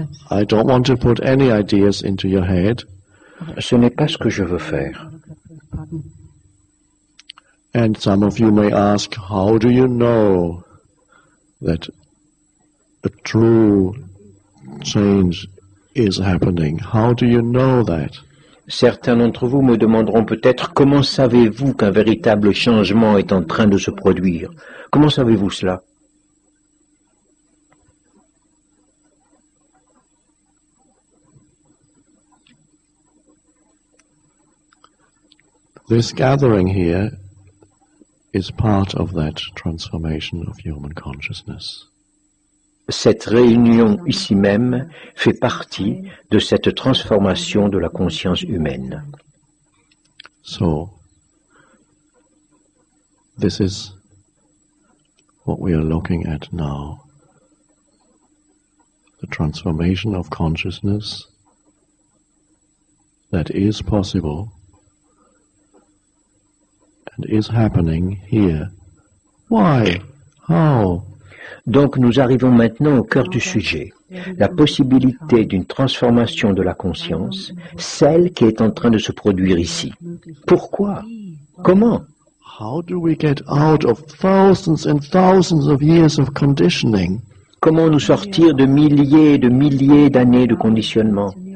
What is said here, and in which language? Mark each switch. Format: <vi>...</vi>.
<en>I don't want to put any ideas into your head.</en> <fr>Ce n'est pas ce que je veux faire.</fr> <en>And some of you may ask, how do you know that a true change is happening? How do you know that?</en> <fr>Certains d'entre vous me demanderont peut-être, comment savez-vous qu'un véritable changement est en train de se produire? Comment savez-vous cela?</fr> <en>This gathering here is part of that transformation of human consciousness.</en> <fr>Cette réunion ici même fait partie de cette transformation de la conscience humaine.</fr> <en>So, this is what we are looking at now. The transformation of consciousness that is possible and is happening here. Why? How?</en> <fr>Donc nous arrivons maintenant au cœur du sujet, la possibilité d'une transformation de la conscience, celle qui est en train de se produire ici. Pourquoi? Comment?</fr> <en>How do we get out of thousands and thousands of years of conditioning?</en> <fr>Comment nous sortir de milliers et de milliers d'années de conditionnement?</fr>